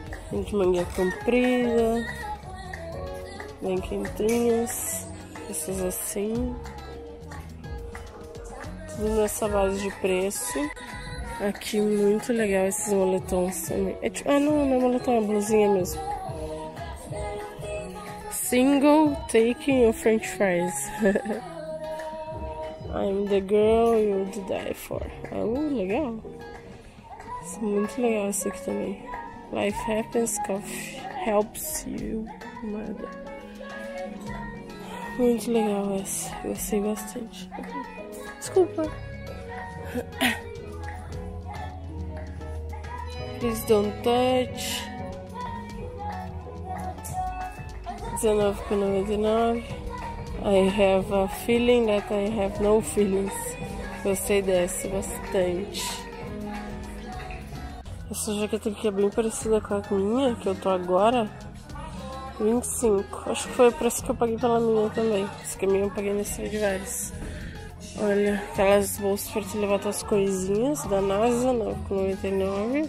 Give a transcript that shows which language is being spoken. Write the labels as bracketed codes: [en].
[pt] Tem de manga comprida. Bem quentinhas. Essas assim. Tudo nessa base de preço. Aqui, muito legal esses moletons também. É tipo, não é moletom, é blusinha mesmo. [en] Single taking your french fries. I'm the girl you'd die for. [pt] Legal. Isso é muito legal isso aqui também. [en] Life happens, coffee helps you. Mother. [pt] Muito legal essa. Gostei bastante. Desculpa. [en] Please don't touch. R$19,99. I have a feeling that I have no feelings. [pt] Gostei dessa bastante. Essa jaqueta aqui é bem parecida com a minha, que eu tô agora. R$25. Acho que foi o preço que eu paguei pela minha também. Essa que a minha eu paguei nesse de vários. Olha, aquelas bolsas pra te levar tuas coisinhas da NASA, R$9,99.